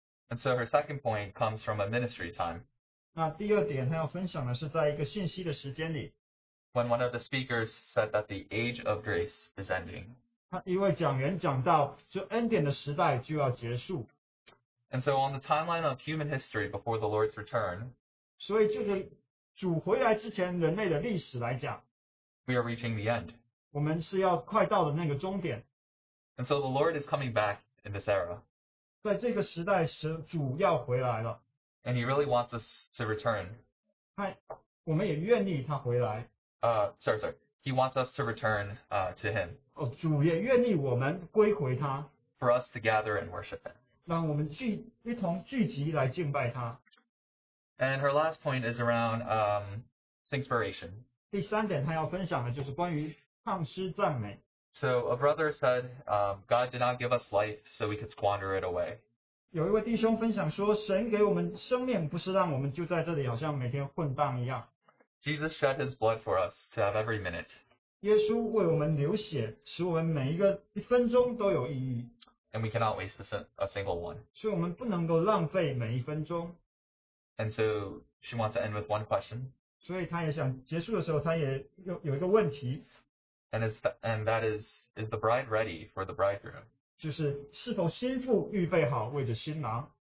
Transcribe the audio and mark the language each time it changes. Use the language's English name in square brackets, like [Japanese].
[English] And so her second point comes from a ministry time. [Chinese] 那第二点他要分享的是在一个信息的时间里。 [English] When one of the speakers said that the age of grace is ending. [Chinese] 一位讲员讲到，就恩典的时代就要结束。 [English] And so on the timeline of human history before the Lord's return. [Chinese] 所以就是主回来之前人类的历史来讲。 [English] We are reaching the end. [Chinese] 我们是要快到的那个终点。 [English] And so the Lord is coming back in this era. [Chinese] 在这个时代时，主要回来了。 [English] And he really wants us to return. [Chinese] 我们也愿意他回来。 [English] Sorry. He wants us to return to him. [Chinese] 主也愿意我们归回他。 [English] For us to gather and worship him. [Chinese] 让我们一同聚集来敬拜他。 [English] And her last point is around singspiration. [Chinese] 第三点他要分享的就是关于唱诗赞美。 [English] So a brother said, God did not give us life so we could squander it away. [Chinese] 有一位弟兄分享说，神给我们生命，不是让我们就在这里好像每天混荡一样。 [English] Jesus shed his blood for us to have every minute. [Chinese] 耶稣为我们流血，使我们每一个一分钟都有意义。 [English] And we cannot waste a single one. [Chinese] 所以我们不能够浪费每一分钟。 [English] And so she wants to end with one question. [Chinese] 所以她也想结束的时候，她也有一个问题。 [English] And is the bride ready for the bridegroom? [Chinese] 就是是否新妇预备好为着新郎？